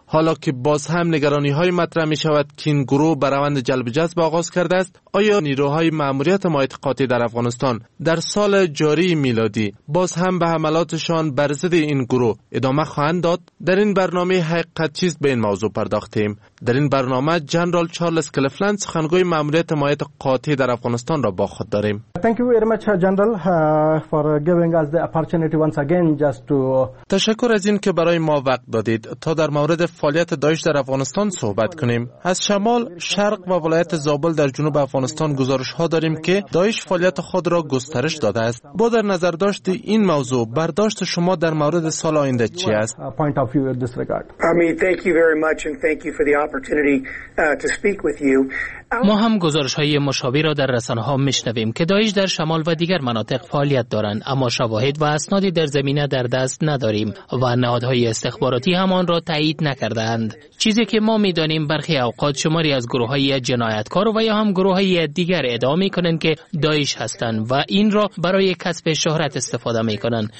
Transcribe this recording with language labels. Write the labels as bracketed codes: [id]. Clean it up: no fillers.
[fa] حالا که باز هم نگرانی های مطرح می شود که این گروه براوند جلب جذب آغاز کرده است، آیا نیروهای ماموریت مایتقاطی در افغانستان در سال جاری میلادی باز هم به حملاتشان بر ضد این گروه ادامه خواهند داد؟ در این برنامه حقیقت چیز به این موضوع پرداختیم. در این برنامه جنرال چارلز کلفلند، سخنگوی ماموریت مایتقاطی در افغانستان را با خود داریم. [en] Thank you very much, General, for giving us the opportunity once again just to. [fa] تشکر از این که برای ما وقت دادید تا در مورد فعالیت داعش در افغانستان صحبت کنیم. از شمال، شرق و ولایت زابل در جنوب افغانستان گزارش ها داریم که داعش فعالیت خود را گسترش داده است. با در نظر داشت این موضوع، برداشت شما در مورد سال آینده چی است؟ [en] Point of view in this regard. I mean, thank you very much and thank you for the opportunity to speak with you. [fa] ما هم گزارش های مشابه را در رسانه ها میشنویم که داعش در شمال و دیگر مناطق فعالیت دارند، اما شواهد و اسنادی در زمینه در دست نداریم و نهادهای استخباراتی هم آن را تایید نکردند. چیزی که ما میدانیم برخی اوقات شماری از گروه های جنایتکار و یا هم گروه های دیگر ادعا میکنند که داعش هستند و این را برای کسب شهرت استفاده میکنند.